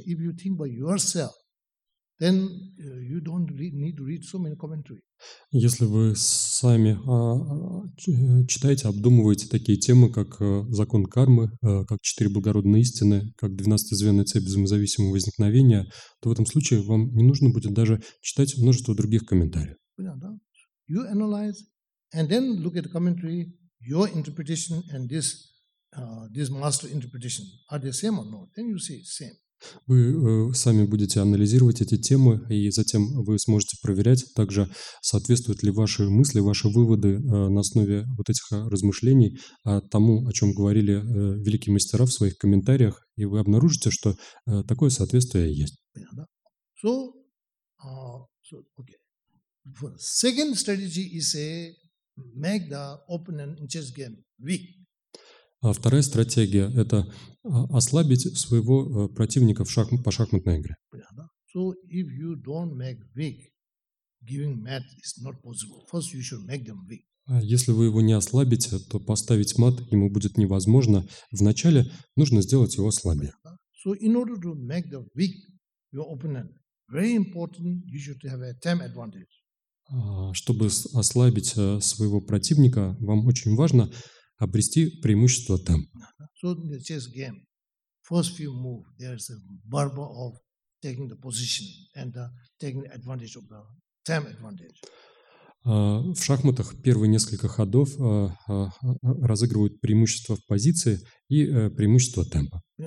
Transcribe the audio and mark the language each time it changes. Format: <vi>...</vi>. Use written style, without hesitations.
<en>If you think by yourself, then you don't need to read so many commentary.</en> <ru>Если вы сами читаете, обдумываете такие темы, как закон кармы, как четыре благородные истины, как 12-звенная цепь взаимозависимого возникновения, то в этом случае вам не нужно будет даже читать множество других комментариев.</ru> <en>You analyze and then look at the commentary, your interpretation and this master interpretation. Are they same or not? Then you see same.</en> <ru>Вы сами будете анализировать эти темы, и затем вы сможете проверять также, соответствуют ли ваши мысли, ваши выводы на основе вот этих размышлений тому, о чем говорили великие мастера в своих комментариях, и вы обнаружите, что такое соответствие есть. Понятно. Okay.</ru> <en>The second strategy is to make the opponent in chess game weak.</en> <ru>А вторая стратегия – это ослабить своего противника в по шахматной игре.</ru> <en>So if you don't make weak, giving mat is not possible. First you should make them weak.</en> <ru>Если вы его не ослабите, то поставить мат ему будет невозможно. Вначале нужно сделать его слабее.</ru> <en>So in order to make them weak, your opponent, Very important, you should have a time advantage.</en> <ru>Чтобы ослабить своего противника, вам очень важно обрести преимущество там.</ru> <en>So in the chess game, first few moves, there is a barber of taking the position and taking advantage of the time advantage.</en> <ru>В шахматах первые несколько ходов разыгрывают преимущество в позиции и преимущество темпа.</ru>